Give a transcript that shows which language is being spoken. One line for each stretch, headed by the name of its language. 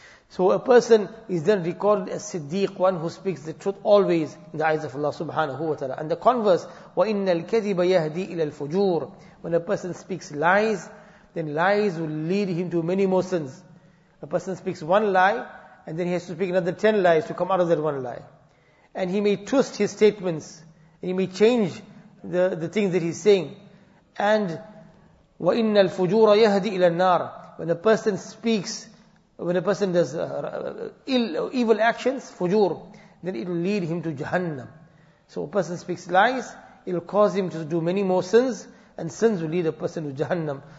English: So a person is then recorded as Siddiq, one who speaks the truth always in the eyes of Allah subhanahu wa ta'ala. And the converse,
Arabic: وَإِنَّ الْكَذِبَ يَهْدِي إِلَى الْفُجُورِ.
English: When a person speaks lies, then lies will lead him to many more sins. A person speaks one lie, and then he has to speak another 10 lies to come out of that one lie. And he may twist his statements, and he may change the things that he's saying.
Arabic: And وَإِنَّ الْفُجُورَ يَهْدِي إِلَى النَّارِ.
English: When a person speaks, when a person does evil actions, fujur, then it will lead him to Jahannam. So a person speaks lies, it will cause him to do many more sins, and sins will lead a person to Jahannam.